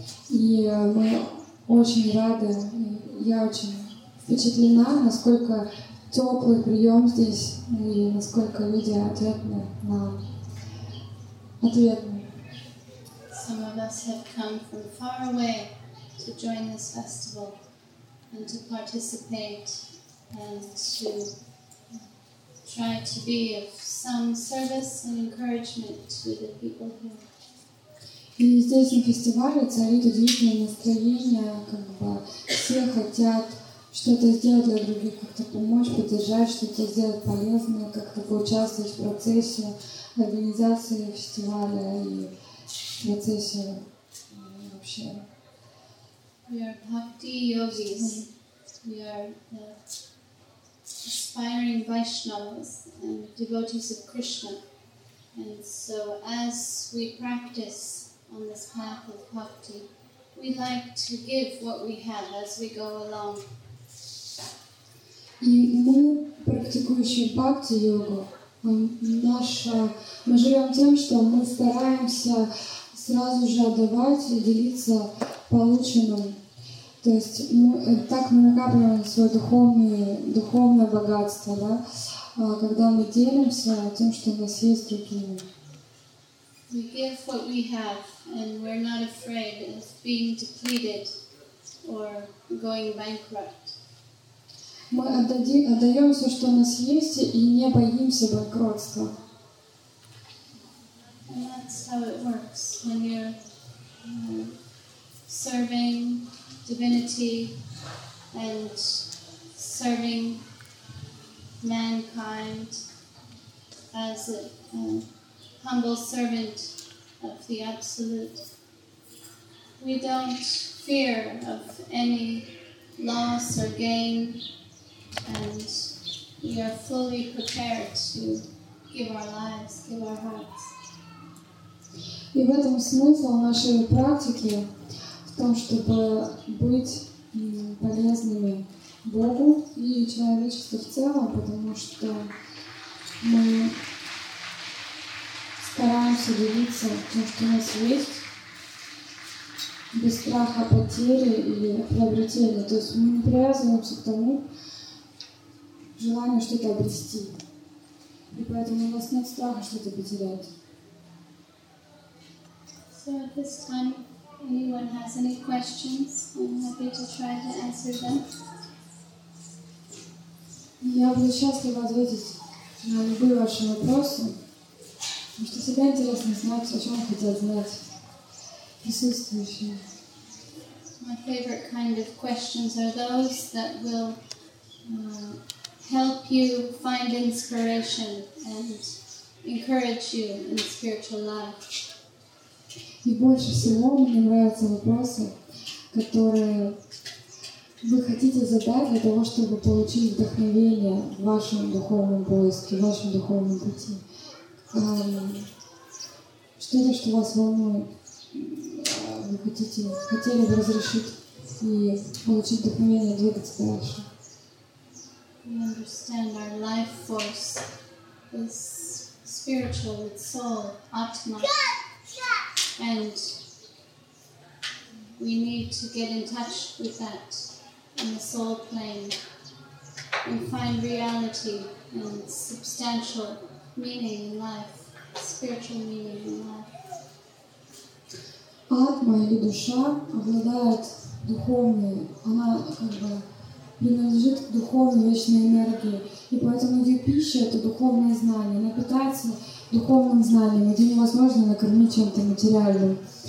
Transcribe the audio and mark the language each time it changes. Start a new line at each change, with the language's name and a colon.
Russian: И мы очень рады, я очень впечатлена, насколько теплый прием здесь и насколько люди ответны на ответные.
English: Some of us have come from far away to join this festival and to participate and to try to be of some service and encouragement to the people here.
Russian: И здесь на фестивале царит удивительное настроение, как бы все хотят что-то сделать для других, как-то помочь, поддержать, что-то сделать полезное, как-то поучаствовать в процессе организации фестиваля и в процессе вообще.
English: We are bhakti yogis. We are the aspiring Vaishnavas and devotees of Krishna. And so as we practice on this path of bhakti, we like to give what we have as we go along.
Russian: И мы, практикующие бхакти-йогу, мы живем тем, что мы стараемся сразу же отдавать и делиться полученным. То есть так мы накапливаем свое духовное богатство, да, когда мы делимся тем, что у нас есть другими.
English: We give what we have, and we're not afraid of being depleted or going bankrupt.
Russian: Мы отдаем все, что у нас есть, и не боимся банкротства.
English: And that's how it works when you're serving divinity and serving mankind as a humble servant of the Absolute. We don't fear of any loss or gain. And we are fully prepared to give our lives, give our hearts.
Russian: И в этом смысл нашей практики в том, чтобы быть полезными Богу и человечеству в целом, потому что мы стараемся делиться тем, что у нас есть. без страха потери или приобретения. То есть мы не привязываемся к тому желанию что-то обрести. И поэтому у нас нет страха что-то потерять.
English: So at this time, anyone has any questions, I'm happy to try to answer them.
Russian: Я буду счастлива ответить на любые ваши вопросы. Потому что всегда интересно знать, о чем хотят знать присутствующие.
English: My favorite kind of questions are those that will help you find inspiration and encourage you in spiritual life.
Russian: И больше всего мне нравятся вопросы, которые вы хотите задать для того, чтобы получить вдохновение в вашем духовном поиске, в вашем духовном пути. Что-то, что вас волнует, вы хотели бы разрешить и получить вдохновение двигаться дальше.
English: We understand our life force is spiritual, it's soul, atma. And we need to get in touch with that in the soul plane and find reality and substantial meaning in life, spiritual meaning in life.
Russian: Атма или душа обладает духовной, она как бы принадлежит к духовной вечной энергии. И поэтому ее пища — это духовное знание. Она питается духовным знанием, где невозможно накормить чем-то материальным.